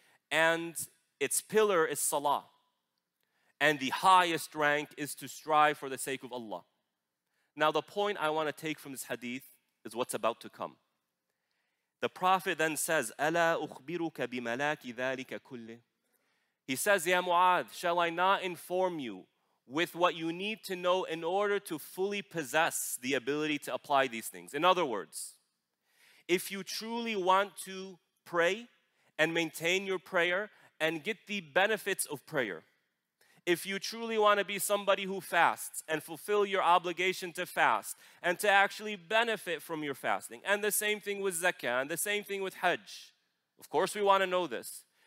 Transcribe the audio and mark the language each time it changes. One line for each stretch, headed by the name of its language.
English: And its pillar is Salah. And the highest rank is to strive for the sake of Allah. Now the point I want to take from this hadith is what's about to come. The Prophet then says,
Arabic: أَلَا أُخْبِرُكَ بِمَلَاكِ ذَٰلِكَ كُلِّهِ.
English: He says, Ya Mu'adh, shall I not inform you with what you need to know in order to fully possess the ability to apply these things? In other words, if you truly want to pray and maintain your prayer and get the benefits of prayer, if you truly want to be somebody who fasts and fulfill your obligation to fast and to actually benefit from your fasting, and the same thing with zakah, and the same thing with hajj, of course we want to know this.